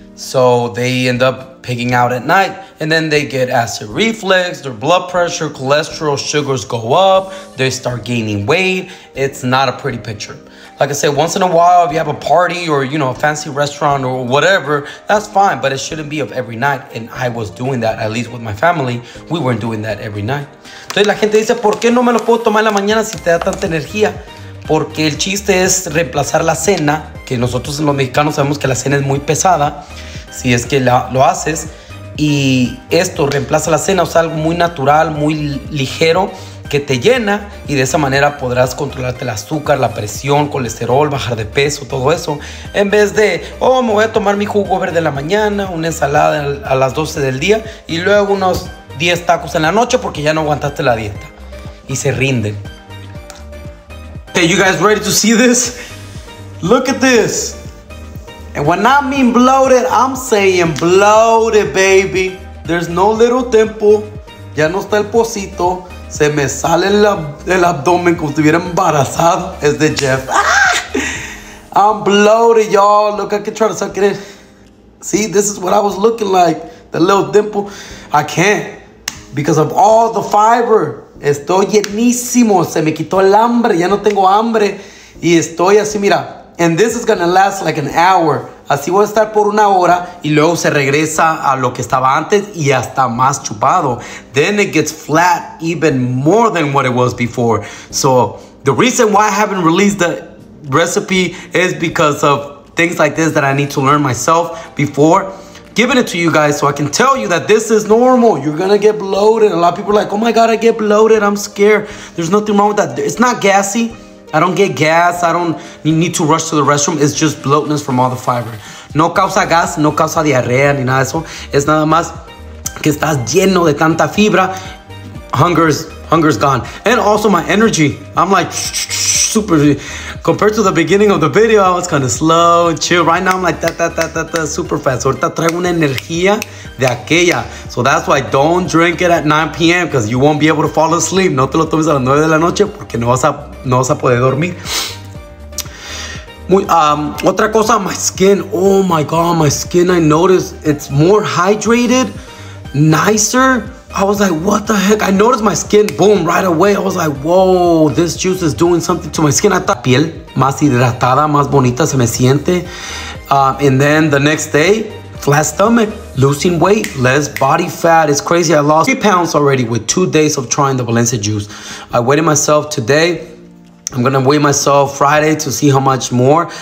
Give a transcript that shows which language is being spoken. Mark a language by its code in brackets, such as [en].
[en] So they end up pigging out at night, and then they get acid reflux, their blood pressure, cholesterol, sugars go up, they start gaining weight. It's not a pretty picture. Like I said, once in a while, if you have a party or, a fancy restaurant or whatever, that's fine, but it shouldn't be of every night. And I was doing that, at least with my family. We weren't doing that every night. [es] Entonces la gente dice, ¿por qué no me lo puedo tomar en la mañana si te da tanta energía? Porque el chiste es reemplazar la cena, que nosotros los mexicanos sabemos que la cena es muy pesada, si es que lo haces. Y esto reemplaza la cena, o sea, algo muy natural, muy ligero, que te llena, y de esa manera podrás controlarte el azúcar, la presión, colesterol, bajar de peso, todo eso, en vez de, oh, me voy a tomar mi jugo verde en la mañana, una ensalada a las 12 del día, y luego unos 10 tacos en la noche porque ya no aguantaste la dieta, y se rinden. [en] Okay, you guys ready to see this? Look at this. And when I mean bloated, I'm saying bloated, baby. There's no little tempo, [es] ya no está el pocito. Se me sale el abdomen como si estuviera embarazada. Es de Jeff. [en] ¡Ah! I'm bloated, y'all. Look, I can try to suck it in. See, this is what I was looking like. The little dimple. I can't. Because of all the fiber. [es] Estoy llenísimo. Se me quitó el hambre. Ya no tengo hambre. Y estoy así, mira. [en] And this is going to last like an hour. [es] Así voy a estar por una hora y luego se regresa a lo que estaba antes y hasta más chupado. [en] Then it gets flat even more than what it was before. So the reason why I haven't released the recipe is because of things like this that I need to learn myself before giving it to you guys, so I can tell you that this is normal. You're going to get bloated. A lot of people are like, oh my God, I get bloated. I'm scared. There's nothing wrong with that. It's not gassy. I don't get gas, I don't need to rush to the restroom, it's just bloatness from all the fiber. [es] No causa gas, no causa diarrea, ni nada de eso. Es nada más que estás lleno de tanta fibra, [en] hunger's gone. And also my energy, I'm like super, compared to the beginning of the video, I was kind of slow and chill. Right now I'm like super fast. [es] Ahorita traigo una energía de aquella. [en] So that's why don't drink it at 9 p.m. because you won't be able to fall asleep. [es] No te lo tomes a las 9 de la noche porque no vas a poder dormir. Otra cosa, [en] my skin. Oh my God, my skin, I noticed it's more hydrated, nicer. I was like, what the heck? I noticed my skin, boom, right away. I was like, whoa, this juice is doing something to my skin. I thought, [es] piel más hidratada, más bonita se me siente. [en] And then the next day, flat stomach, losing weight, less body fat. It's crazy. I lost 3 pounds already with 2 days of trying the Valencia juice. I weighed myself today. I'm going to weigh myself Friday to see how much more.